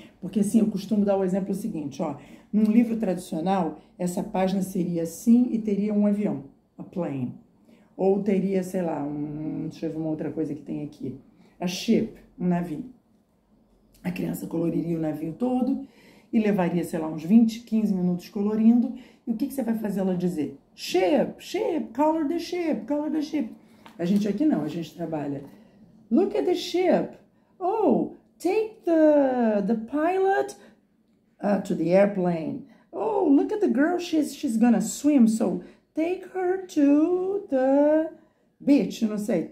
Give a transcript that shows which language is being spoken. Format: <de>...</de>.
<pt>Porque, assim, eu costumo dar o exemplo seguinte: ó, num livro tradicional, essa página seria assim e teria um avião, a plane. Ou teria, sei lá, deixa eu ver uma outra coisa que tem aqui. A ship, um navio. A criança coloriria o navio todo e levaria, sei lá, uns 20, 15 minutos colorindo. E o que que você vai fazer ela dizer?</pt> <en>Ship, ship, color the ship, color the ship.</en> <pt>A gente aqui não, a gente trabalha.</pt> <en>Look at the ship. Oh, take the pilot to the airplane. Oh, look at the girl, she's gonna swim, so take her to the beach,</en> <pt>não sei.</pt>